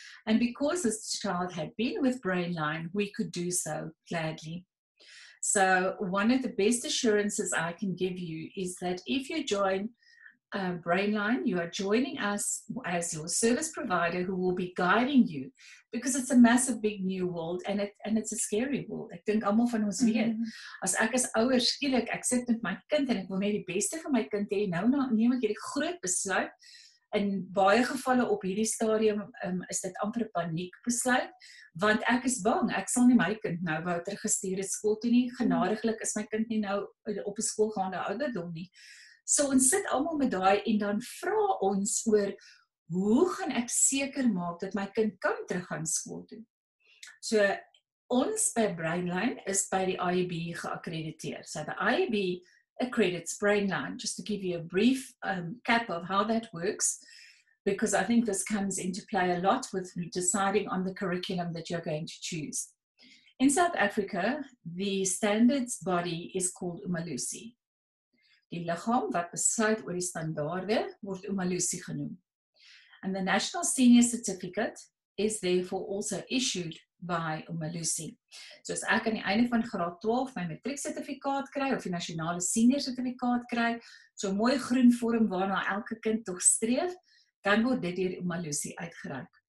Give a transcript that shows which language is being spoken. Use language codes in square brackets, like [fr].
[en] And because this child had been with Brainline, we could do so gladly. So one of the best assurances I can give you is that if you join Brainline, you are joining us as your service provider who will be guiding you, because it's a massive big new world and it's a scary world. [af] Ek dink almal van ons weet. As ek as ouer skielik ek sit met my kind en ek wil net die beste vir my kind hê, nou neem ek hierdie groot besluit. In baie gevalle op hierdie stadium is dit amper 'n paniekbesluit, want ek is bang, ek sal nie my kind nou wou teruggestuur het skool toe nie. Genadiglik is my kind nie nou op 'n skoolgaande ouderdom nie. So ons sit almal met daai en dan vra ons oor hoe gaan ek seker maak dat my kind kan teruggaan skool toe. So ons by Brainline is by die IEB geakkrediteer. [en] So the IEB accredits Brainline, just to give you a brief cap of how that works, because I think this comes into play a lot with deciding on the curriculum that you're going to choose. In South Africa, the standards body is called Umalusi. [af] Die liggaam wat besluit oor die standaarde word Umalusi genoem. [en] And the National Senior Certificate is therefore also issued by Umalusi. [af] So as ek aan die einde van graad 12 my matriek sertifikaat kry of die nasionale senior sertifikaat kry, so 'n mooi groen vorm waarna elke kind tog streef, dan word dit deur Umalusi uitgereik.